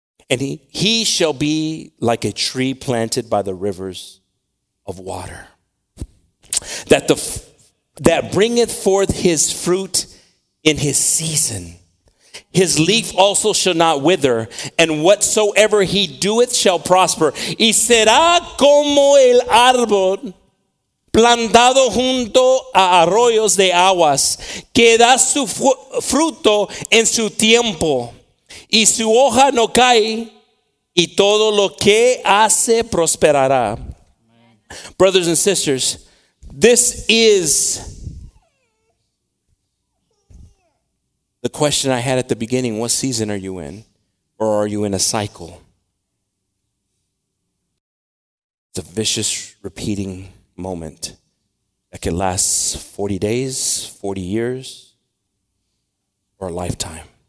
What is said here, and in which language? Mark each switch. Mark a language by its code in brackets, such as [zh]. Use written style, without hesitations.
[en] And he shall be like a tree planted by the rivers of water, that bringeth forth his fruit in his season. His leaf also shall not wither, and whatsoever he doeth shall prosper. [es] Y será como el árbol plantado junto a arroyos de aguas, que da su fruto en su tiempo. Y su hoja no cae, y todo lo que hace prosperará. [en] Brothers and sisters, this is the question I had at the beginning. What season are you in? or are you in a cycle? It's a vicious repeating moment that can last 40 days, 40 years, or a lifetime.